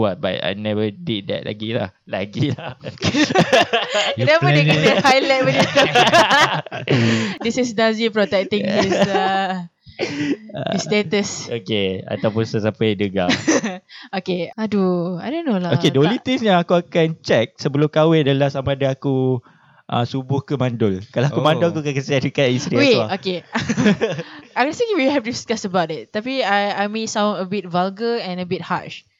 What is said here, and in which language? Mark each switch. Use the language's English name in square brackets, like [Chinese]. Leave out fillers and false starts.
[English] But I never did that lagi lah. [Malay] Kenapa dia kena highlight benda tu? [English] This is Nazi protecting his status. [Malay] Okay. Ataupun sesiapa yang dengar. [English] Okay. Aduh. I don't know lah. [Malay] Okay. [English] The only things [Malay] yang aku akan check sebelum kahwin adalah sama ada aku subuh ke mandul. Kalau aku mandul, aku akan kesian dekat isteri aku. [English] Wait, okay. I think we have discussed about it. Tapi I may sound a bit vulgar and a bit harsh.